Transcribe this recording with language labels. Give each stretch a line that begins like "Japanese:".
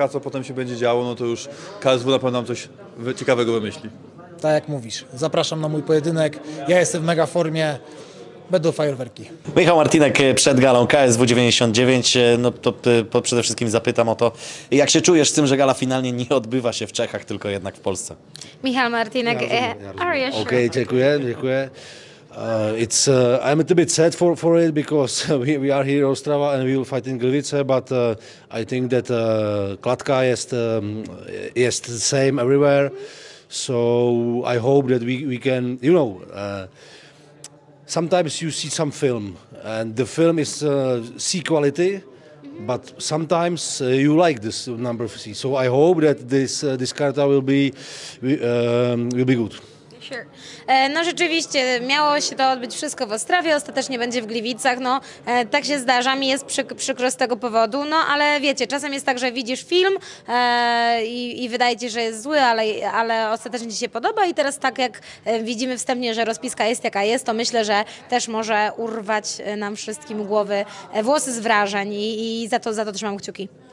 Polish: A co potem się będzie działo, no to już KSW na pewno nam coś ciekawego wymyśli. Tak jak mówisz. Zapraszam na mój pojedynek. Ja jestem w mega formie. Będą fajerwerki. Michał Martinek przed galą KSW 99. No to przede wszystkim zapytam o to, jak się czujesz z tym, że gala finalnie nie odbywa się w Czechach, tylko jednak w Polsce?
English: Michał Martinek, are you sure?
Polish: Okej, dziękuję.
English: I'm a little bit sad for it because we are here in Ostrava and we will fight in Gliwice, but I think that Kladka
Polish: jest
English: the same everywhere. So I hope that we can, you know, sometimes you see some film and the film is C quality, mm-hmm. but sometimes you like this number of C. So I hope that this karta will be good. Sure.
Polish: No rzeczywiście, miało się to odbyć wszystko w Ostrawie, ostatecznie będzie w Gliwicach, no tak się zdarza, mi jest przykro z tego powodu, no ale wiecie, czasem jest tak, że widzisz film i wydaje ci, że jest zły, ale ostatecznie ci się podoba i teraz tak jak widzimy wstępnie, że rozpiska jest jaka jest, to myślę, że też może urwać nam wszystkim głowy włosy z wrażeń i za to trzymam kciuki.